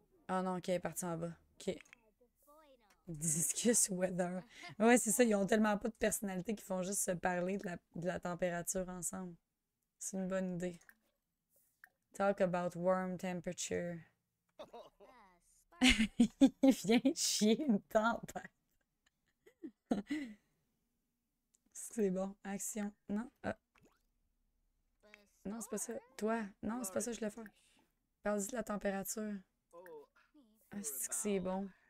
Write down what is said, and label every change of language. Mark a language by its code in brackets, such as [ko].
[fr] Oh non, OK, elle est partie en bas. OK. [en] Discuss weather. [fr] Ouais, c'est ça, ils ont tellement pas de personnalité qu'ils font juste se parler de la température ensemble. C'est une bonne idée. [en] Talk about warm temperature. [fr] Il vient chier une tempête. C'est bon. Action. Non. Ah. Non, c'est pas ça. Toi. Non, c'est pas ça que je voulais faire. Parle-y de la température. Ah, c'est que c'est bon.